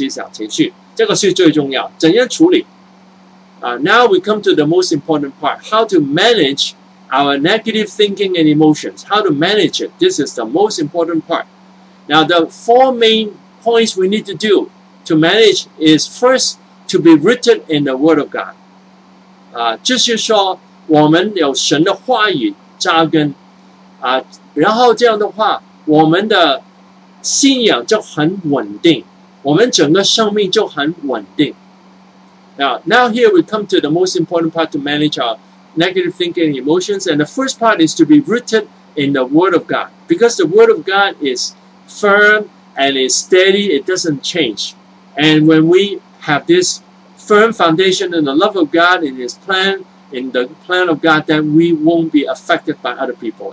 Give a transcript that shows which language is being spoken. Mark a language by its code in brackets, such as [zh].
[zh] 当我们有负面思想情绪的时候，就会影响，就会影响我们的生命，就会令我们不开心。我们不开心也影响我们语言的关系，我们就会说负面的话，就有失败感，然后整个生命就越来越糟糕了。好了，我们现在去最重要的部分，如何处理负面的思想情绪，这个是最重要，怎样处理？ [en] Now we come to the most important part, how to manage our negative thinking and emotions, how to manage it. This is the most important part. Now the four main points we need to do to manage is first to be rooted in the Word of God. [zh] 就是说我们有神的话语扎根，然后这样的话，我们的信仰就很稳定，我们整个生命就很稳定。 [en] Now here we come to the most important part to manage our negative thinking and emotions. And the first part is to be rooted in the Word of God. Because the Word of God is firm and is steady, it doesn't change. And when we have this firm foundation in the love of God, in His plan, in the plan of God, then we won't be affected by other people.